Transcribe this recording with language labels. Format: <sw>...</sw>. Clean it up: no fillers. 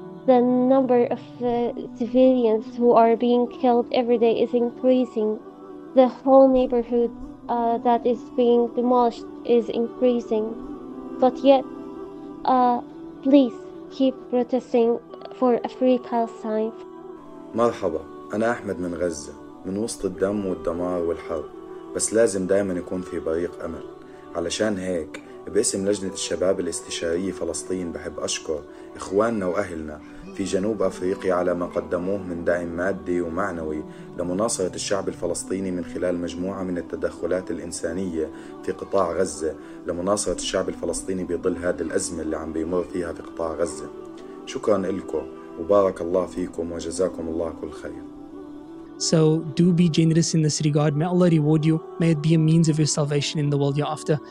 <en>The number of civilians who are being killed every day is increasing. The whole neighborhood that is being demolished is increasing. But yet, please keep protesting for a free Palestine.</en> <ar>مرحبا، أنا أحمد من غزة، من وسط الدم والدمار والحرب، بس لازم دائما يكون في بريق أمل. علشان هيك باسم لجنة الشباب الاستشارية فلسطين بحب أشكر إخواننا وأهلنا في جنوب أفريقيا على ما قدموه من دعم مادي ومعنوي لمناصرة الشعب الفلسطيني من خلال مجموعة من التدخلات الإنسانية في قطاع غزة لمناصرة الشعب الفلسطيني بظل هذه الأزمة اللي عم بيمر فيها في قطاع غزة. شكرا لكم وبارك الله فيكم وجزاكم الله كل خير.</ar> <en>So do be generous in this regard. May Allah reward you. May it be a means of your salvation in the world you're after.</en>